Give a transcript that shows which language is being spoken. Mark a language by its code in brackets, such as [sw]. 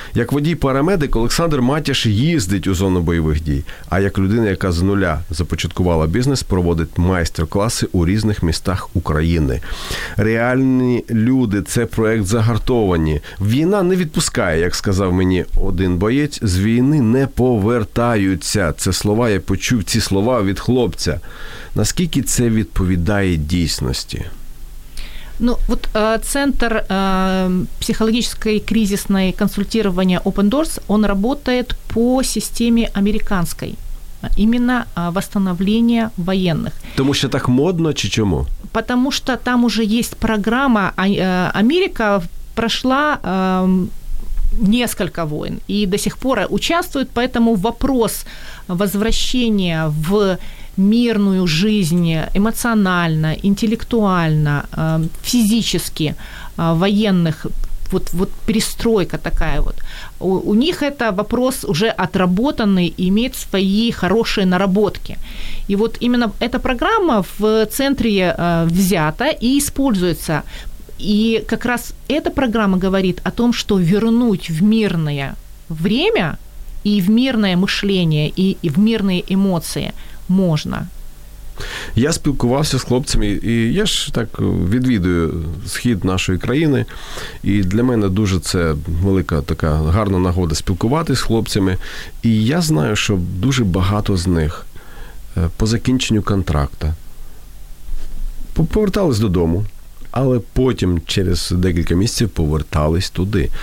[uk] Як водій парамедик Олександр Матяш їздить у зону бойових дій, а як людина, яка з нуля започаткувала бізнес, проводить майстер-класи у різних містах України. Реальні люди – це проект «Загартовані». Війна не відпускає, як сказав мені один боєць, з війни не повертаються. Це слова, я почув ці слова від хлопця. Наскільки це відповідає дійсності? [ru] Ну, вот центр психологической кризисной консультирования Open Doors, он работает по системе американской. Именно восстановление военных. [uk] Тому що так модно, чи чому? [ru] Потому что там уже есть программа Америка, прошла несколько войн и до сих пор участвует, поэтому вопрос возвращения в мирную жизнь эмоционально, интеллектуально, физически военных, вот перестройка такая вот, у них это вопрос уже отработанный и имеет свои хорошие наработки. И вот именно эта программа в центре взята и используется. И как раз эта программа говорит о том, что вернуть в мирное время и в мирное мышление, и в мирные эмоции можно. [uk] Я спілкувався з хлопцями, і я ж так відвідую схід нашої країни, і для мене дуже це велика така гарна нагода спілкуватися з хлопцями. І я знаю, що дуже багато з них по закінченню контракта повертались додому, але потім через декілька місяців повертались туди.